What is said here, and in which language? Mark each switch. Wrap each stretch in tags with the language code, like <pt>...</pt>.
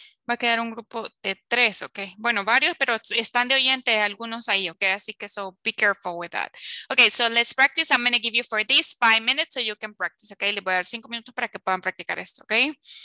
<es>Va a quedar un grupo de tres, ok. Bueno, varios, pero están de oyente algunos ahí, ok. Así que</es> <en>so be careful with that. Ok, so let's practice. I'm going to give you for this 5 minutes so you can practice, ok.</en> <es>Le voy a dar 5 minutos para que puedan practicar esto, ok.</es>